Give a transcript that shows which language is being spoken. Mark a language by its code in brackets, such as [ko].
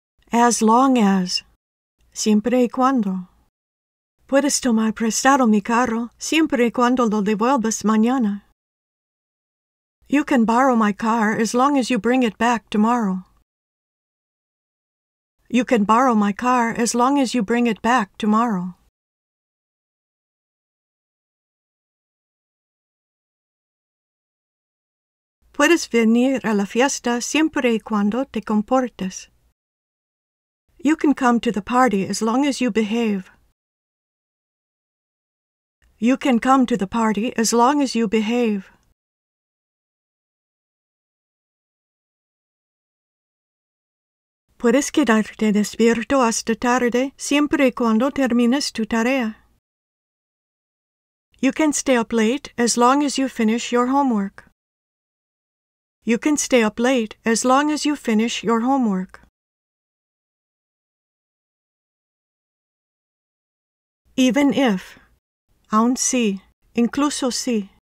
[en] As long as. [es] Siempre y cuando. Puedes tomar prestado mi carro siempre y cuando lo devuelvas mañana. [en] You can borrow my car as long as you bring it back tomorrow. You can borrow my car as long as you bring it back tomorrow. [es] Puedes venir a la fiesta siempre y cuando te comportes. [en] You can come to the party as long as you behave. You can come to the party as long as you behave. [es] Puedes quedarte despierto hasta tarde siempre y cuando termines tu tarea. [en] You can stay up late as long as you finish your homework. You can stay up late as long as you finish your homework. Even if, [es] aun si, incluso si.